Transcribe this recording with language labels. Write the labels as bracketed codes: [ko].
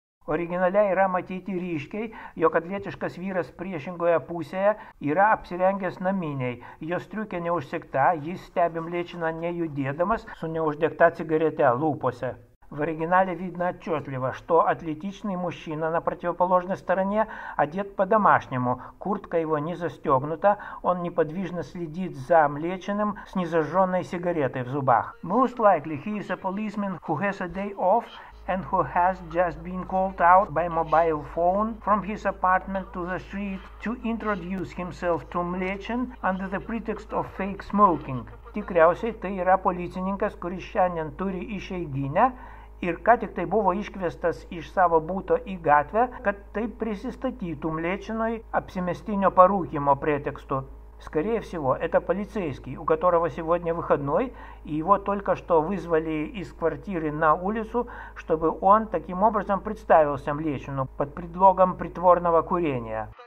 [lt] Originale yra matyti ryškiai, jog atletiškas vyras priešingoje pusėje yra apsirengęs naminiai. Jos striukė neužsikta, jis stebi Mlečiną nejudėdamas su neuždegta cigarete lūpose. [ru] В оригинале видно отчетливо, что атлетичный мужчина на противоположной стороне одет по-домашнему, куртка его не застегнута, он неподвижно следит за Млечиным с незажженной сигаретой в зубах. [en] Most likely he is a policeman who has a day off and who has just been called out by mobile phone from his apartment to the street to introduce himself to Млечин under the pretext of fake smoking. [lt] Tikriausiai tai yra policininkas, kuris šiandien turi išeiginę ir ką tik tai buvo iškviestas iš savo būto į gatvę, kad taip prisistatytų Mlečinui apsimestinio parūkymo pretekstu. [ru] Скорее всего, это полицейский, у которого сегодня выходной, и его только что вызвали из квартиры на улицу, чтобы он таким образом представился Млечину под предлогом притворного курения.